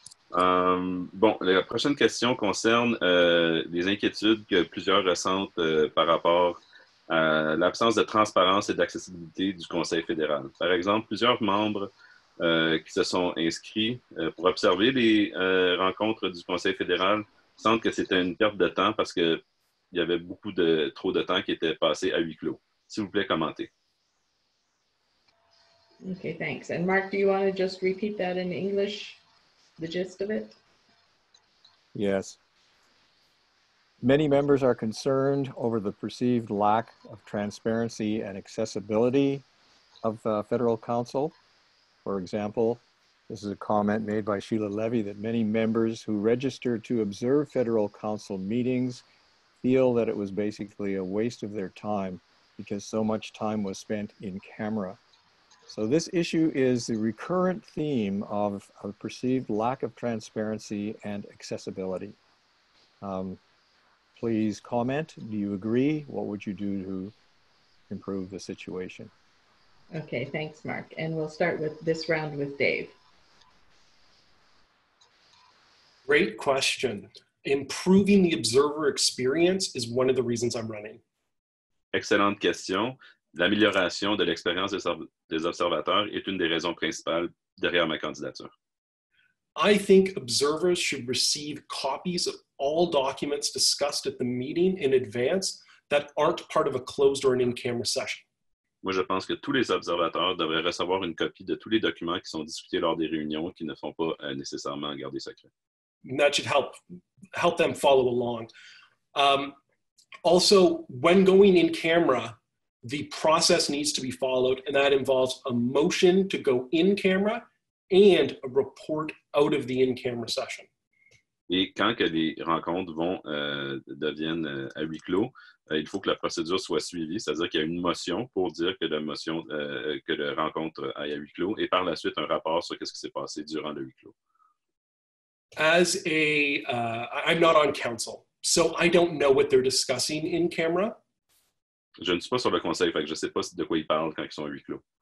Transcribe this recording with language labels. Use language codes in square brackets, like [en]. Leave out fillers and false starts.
[fr] Bon, la prochaine question concerne les inquiétudes que plusieurs ressentent par rapport à l'absence de transparence et d'accessibilité du Conseil fédéral. Par exemple, plusieurs membres qui se sont inscrits pour observer les rencontres du Conseil fédéral sentent que c'était une perte de temps parce qu'il y avait beaucoup de trop de temps qui était passé à huis clos. S'il vous plaît, commentez. [en] Okay, thanks. And Mark, do you want to just repeat that in English, the gist of it? Yes. Many members are concerned over the perceived lack of transparency and accessibility of federal council. For example, this is a comment made by Sheila Levy that many members who registered to observe federal council meetings feel that it was basically a waste of their time because so much time was spent in camera. So this issue is the recurrent theme of a perceived lack of transparency and accessibility. Please comment, do you agree? What would you do to improve the situation? Okay, thanks, Mark. And we'll start with this round with Dave. Great question. Improving the observer experience is one of the reasons I'm running. [fr] Excellente question. L'amélioration de l'expérience des observateurs est une des raisons principales derrière ma candidature. [en] I think observers should receive copies of all documents discussed at the meeting in advance that aren't part of a closed or an in-camera session. [fr] Moi, je pense que tous les observateurs devraient recevoir une copie de tous les documents qui sont discutés lors des réunions qui ne sont pas nécessairement gardés secrets. [en] That should help them follow along. Also, when going in camera, the process needs to be followed, and that involves a motion to go in camera and a report out of the in-camera session. [fr] Et quand que les rencontres vont deviennent à huis clos, il faut que la procédure soit suivie, c'est-à-dire qu'il y a une motion pour dire que la motion que la rencontre aille à huis clos, et par la suite un rapport sur qu'est-ce qui s'est passé durant le huis clos. [en] As a, I'm not on council, so I don't know what they're discussing in camera. [fr] Je ne suis pas sur le conseil, fait que je ne sais pas de quoi ils parlent quand ils sont à huis clos.